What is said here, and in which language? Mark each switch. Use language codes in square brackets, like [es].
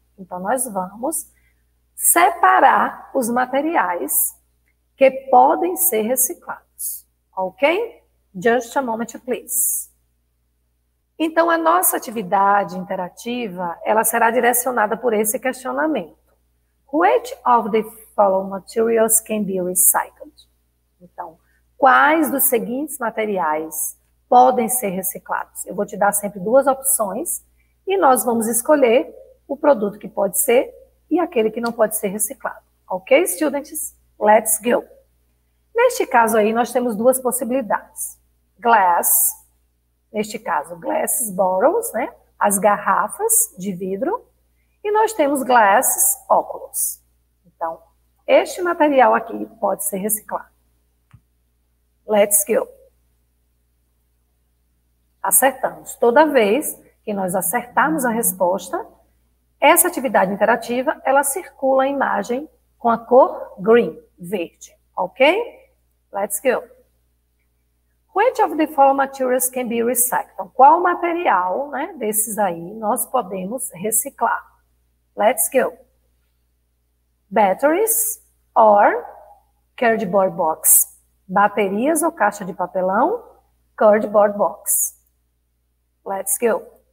[pt] Então nós vamos separar os materiais que podem ser reciclados, ok? [en] Just a moment, please. [pt] Então, a nossa atividade interativa, ela será direcionada por esse questionamento. [en] Which of the following materials can be recycled? [pt] Então, quais dos seguintes materiais podem ser reciclados? Eu vou te dar sempre duas opções e nós vamos escolher o produto que pode ser e aquele que não pode ser reciclado. [en] Ok, students? Let's go. [pt] Neste caso aí, nós temos duas possibilidades. Glass, neste caso, glasses, bottles, né? As garrafas de vidro. E nós temos glasses, óculos. Então, este material aqui pode ser reciclado. [en] Let's go. [pt] Acertamos. Toda vez que nós acertarmos a resposta, essa atividade interativa, ela circula a imagem com a cor green, verde. [en] Ok? Let's go. Which of the following materials can be recycled? [pt] Então, qual material, né, desses aí nós podemos reciclar? [en] Let's go. Batteries or cardboard box. [pt] Baterias ou caixa de papelão, cardboard box. [en] Let's go.